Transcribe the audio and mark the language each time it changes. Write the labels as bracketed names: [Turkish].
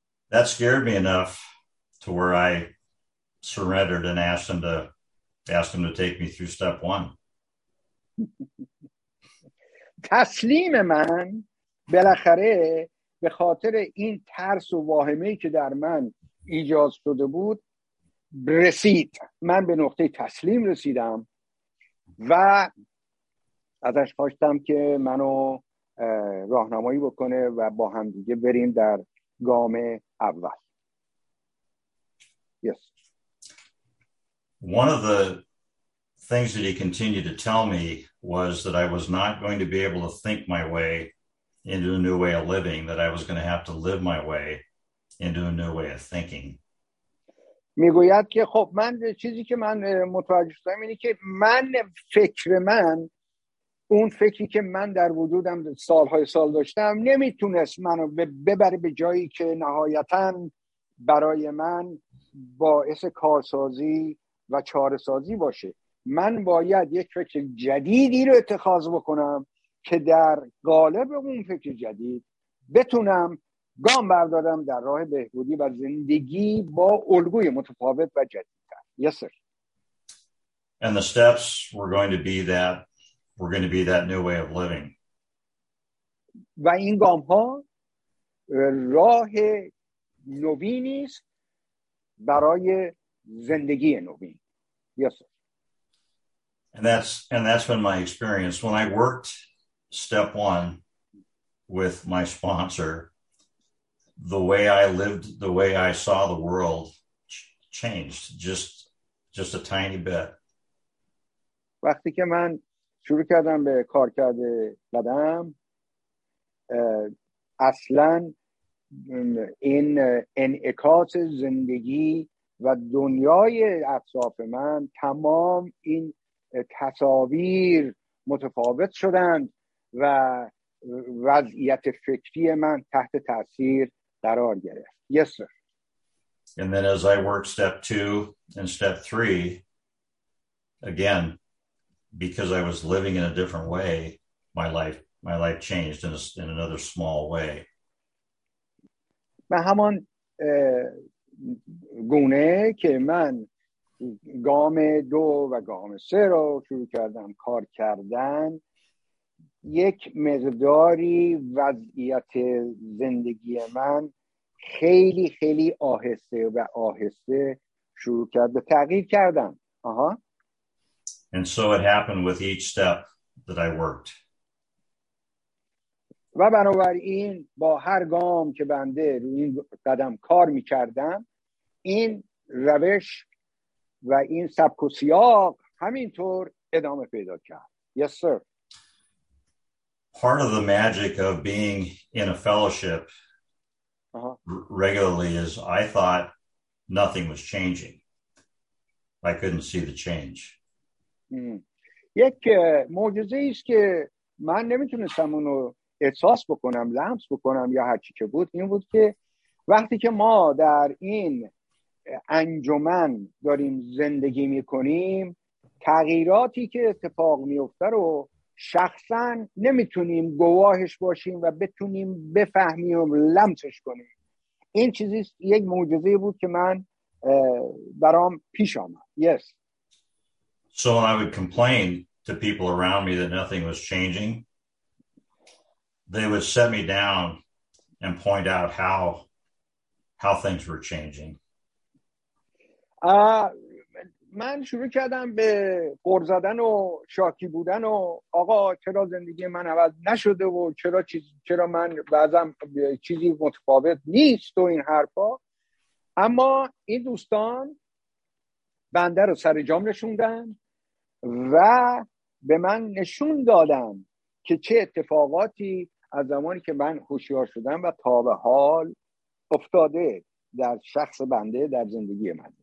[English] That scared me enough to where I surrendered and asked him to take me through step one. [Persian] تسلیم من بالاخره به خاطر این ترس و واهمه که در من ایجاد شده بود رسید، من به نقطه تسلیم رسیدم و ازش خواستم که منو راهنمایی بکنه و با هم دیگه بریم در گام اول. [English] Yes. One of the things that he continued to tell me was that I was not going to be able to think my way into a new way of living, that I was going to have to live my way into a new way of thinking. [Persian] میگوید که خب من چیزی که من متوجه شدم اینه که من فکر من، اون فکری که من در وجودم سالهای سال داشتم، نمیتونست منو ببره به جایی که نهایتاً برای من باعث کارسازی و چارسازی باشه. من باید یک فکر جدیدی رو اتخاذ بکنم که در قالب اون فکر جدید بتونم گام بردارم در راه بهبودی و زندگی با الگوی متفاوت و جدیدتر. [English] Yes sir. And the steps were going to be that we're going to be that new way of living. [Persian] و این گام ها راه نوینی است برای زندگی نوین. [English] Yes sir. And that's been my experience. When I worked step one with my sponsor, the way I lived, the way I saw the world changed just a tiny bit. [Persian] وقتی که من شروع کردم به کار کرده بدم، اصلا این انعکاس زندگی و دنیای اطراف من، تمام این تصاویر متفاوت شدند و وضعیت فکری من تحت تاثیر قرار گرفت. [English] Yes sir. And then as I worked step 2 and step 3 again, because I was living in a different way, my life changed in another small way. [Persian] من همان گونه که من گام 2 و گام 3 رو شروع کردم کار کردن، یک مقداری وضعیت زندگی من خیلی خیلی آهسته و آهسته شروع کرد به تغییر کردن. [English] And so it happened with each step that I worked. [Persian] و بنابراین با هر گام که بنده روی این قدم کار می کردم، این روش و این سبک و سیاق همینطور ادامه پیدا کرد. [English] Yes sir. Part of the magic of being in a fellowship regularly is I thought nothing was changing. I couldn't see the change. [Persian] یک معجزه ایست که من نمیتونستم اونو احساس بکنم، لمس بکنم یا هرچی که بود، این بود که وقتی که ما در این انجمن داریم زندگی میکنیم، تغییراتی که اتفاق میفته رو شخصا نمیتونیم گواهش باشیم و بتونیم بفهمیم و لمسش کنیم. این چیزی یک معجزه بود که من برام پیش آمد. [English] Yes. So I would complain to people around me that nothing was changing. They would set me down and point out how things were changing. [Persian] من شروع کردم به غر زدن و شاکی بودن و آقا چرا زندگی من عوض نشده و چرا من بعضم چیزی متفاوت نیست و این حرفا. اما این دوستان بنده رو سر جام نشوندن و به من نشون دادم که چه اتفاقاتی از زمانی که من هوشیار شدم و تا به حال افتاده در شخص بنده در زندگی من.